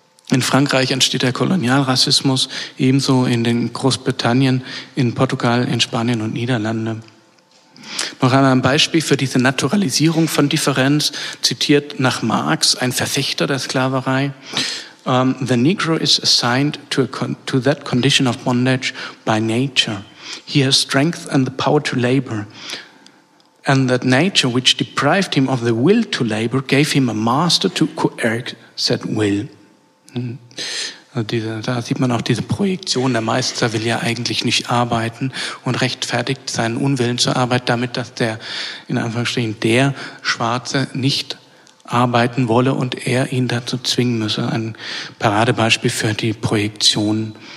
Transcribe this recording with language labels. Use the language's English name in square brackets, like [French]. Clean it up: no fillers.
[German] In Frankreich entsteht der Kolonialrassismus, ebenso in den Großbritannien, in Portugal, in Spanien und Niederlande. Noch einmal ein Beispiel für diese Naturalisierung von Differenz, zitiert nach Marx, ein Verfechter der Sklaverei. [English] The Negro is assigned to that condition of bondage by nature. He has strength and the power to labor. And that nature which deprived him of the will to labor gave him a master to coerce said will. [German] Da sieht man auch diese Projektion. Der Meister will ja eigentlich nicht arbeiten und rechtfertigt seinen Unwillen zur Arbeit damit, dass der, in Anführungsstrichen, der Schwarze nicht arbeiten wolle und er ihn dazu zwingen müsse. Ein Paradebeispiel für die Projektion.